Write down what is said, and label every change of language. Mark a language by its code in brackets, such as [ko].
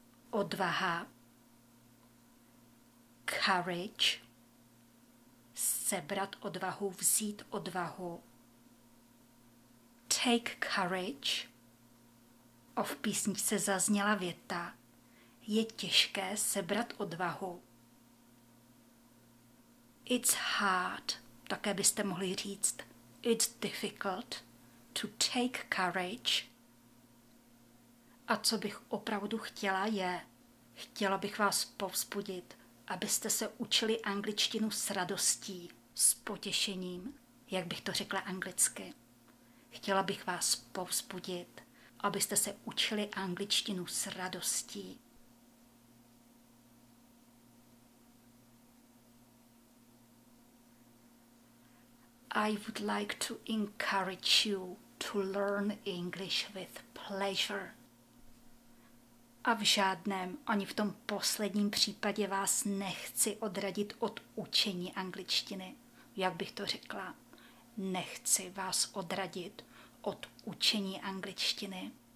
[cs] Odvaha, courage, sebrat odvahu, vzít odvahu. [en] Take courage. [cs] A v písničce zazněla věta. Je těžké sebrat odvahu. [en] It's hard, [cs] také byste mohli říct. [en] It's difficult to take courage. [cs] A co bych opravdu chtěla je, chtěla bych vás povzbudit, abyste se učili angličtinu s radostí. S potěšením, jak bych to řekla anglicky. Chtěla bych vás povzbudit, abyste se učili angličtinu s radostí. [en] I would like to encourage you to learn English with pleasure. [cs] A v žádném, ani v tom posledním případě vás nechci odradit od učení angličtiny. Jak bych to řekla? Nechci vás odradit od učení angličtiny.